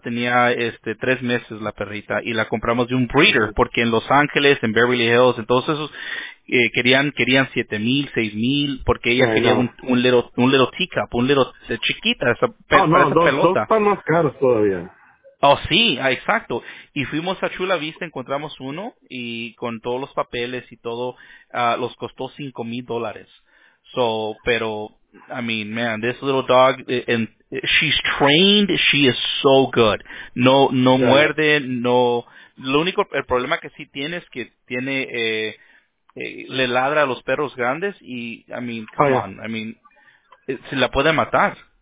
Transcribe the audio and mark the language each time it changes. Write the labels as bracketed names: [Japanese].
[Spanish] Tenía 3 meses la perrita y la compramos de un breeder porque en Los Ángeles, en Beverly Hills, en todos esos querían 7,000, 6,000 porque ella quería un [English] little teacup, [Spanish] chiquita, esa pelota. Dos están más caros todavía. Oh, sí, exacto. Y fuimos a Chula Vista, encontramos uno y con todos los papeles y todo, los costó $5,000. [English] So, pero, I mean, man, this little dog, and she's trained, she is so good. [Spanish] No muerde, no. Lo único, el problema que sí tiene es que tiene, le ladra a los perros grandes y, [English] I mean, come on, [Spanish] se la puede matar.